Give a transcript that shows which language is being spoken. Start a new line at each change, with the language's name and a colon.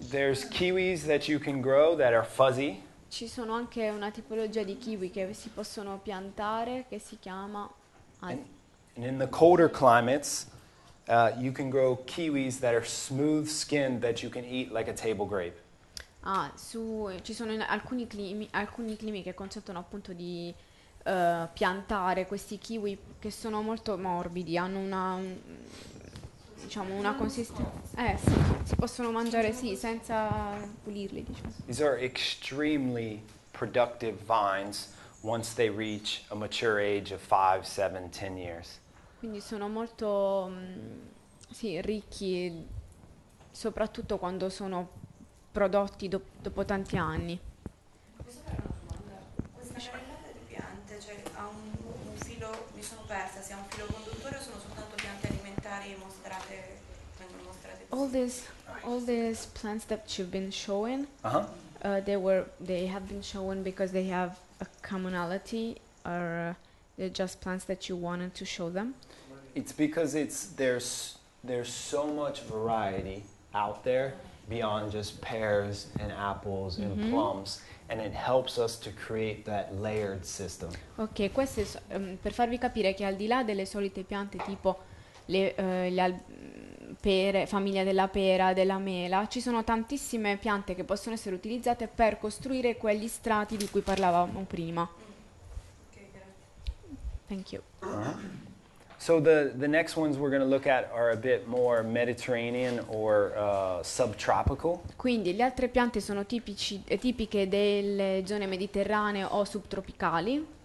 English: There's kiwis that you can grow that are fuzzy.
Italian: Ci sono anche una tipologia di kiwi che si possono piantare che si chiama.
English: And in the colder climates, you can grow kiwis that are smooth skinned that you can eat like a table grape.
Italian: Ah, su ci sono alcuni climi che consentono appunto di piantare questi kiwi che sono molto morbidi, hanno una diciamo una consistenza. Sì, si possono mangiare sì, senza pulirli, diciamo.
English: These are extremely productive vines once they reach a mature age of 5, 7, 10 years.
Italian: Quindi sono molto sì, ricchi soprattutto quando sono prodotti dopo tanti anni. Questa carrellata di piante, cioè ha un filo, mi sono persa, sia un filo conduttore o sono soltanto piante alimentari mostrate, vengono mostrate così?
English: All these plants that you've been showing, uh-huh. They have been shown because they have a commonality, or they're just plants that you wanted to show them? It's because there's so much variety out there beyond just pears and apples and mm-hmm. plums, and it helps us to create that layered system.
Italian: Ok, questo è per farvi capire che al di là delle solite piante tipo le pere, famiglia della pera, della mela, ci sono tantissime piante che possono essere utilizzate per costruire quegli strati di cui parlavamo prima.
English: Thank you. So the next ones we're going to look at are a bit more Mediterranean or subtropical.
Italian: Quindi le altre piante sono tipiche delle zone mediterranee o subtropicali.